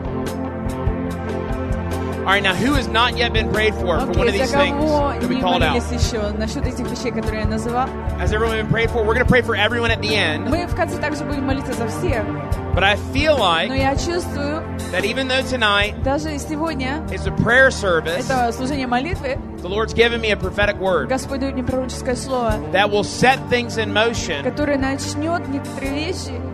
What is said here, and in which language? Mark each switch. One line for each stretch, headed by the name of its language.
English: All right, now who has not yet been prayed for for one of these things that we called out?
Russian: Еще насчет этих вещей, которые я называл?
English: Has everyone been prayed for? We're going to pray for everyone at the end.
Russian: Мы в конце также будем молиться за всех.
English: But I feel like
Russian: Но я чувствую,
English: that even though tonight
Russian: даже сегодня
English: is a prayer service,
Russian: это служение молитвы,
English: the Lord's given me a prophetic word
Russian: Господь дает мне пророческое слово,
English: that will set things in motion
Russian: которое начнет некоторые вещи,